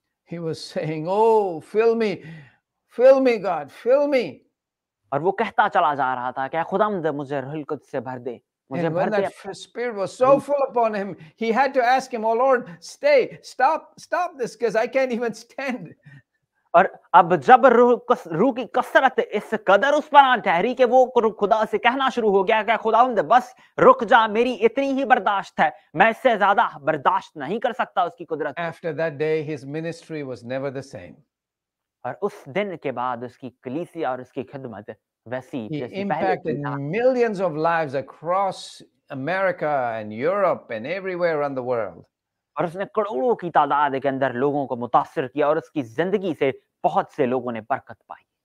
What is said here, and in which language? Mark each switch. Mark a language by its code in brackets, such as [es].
[en] He was saying, oh, fill me, fill me, God, fill me. [ur] اور وہ کہتا چلا جا رہا تھا کہ خداوند مجھے روح القدس سے بھر دے. [en] And when that spirit was so full upon him, he had to ask him, oh Lord, stay, stop, stop this, because I can't even stand. [ur] اور اب جب روح کی کثرت اس قدر اس پر آن ٹھہری کہ وہ خدا سے کہنا شروع ہو گیا کہ خداوند بس رک جا, میری اتنی ہی برداشت ہے, میں اس سے زیادہ برداشت نہیں کر سکتا اس کی قدرت. [en] After that day, his ministry was never the same. [ur] اور اس دن کے بعد اس کی کلیسیا اور اس کی خدمت [en] impacted millions of lives across America and Europe and everywhere around the world. [ur] اور اس نے کروڑوں کی تعداد کے اندر لوگوں کو متاثر کیا اور اس کی زندگی سے بہت سے لوگوں نے برکت پائی.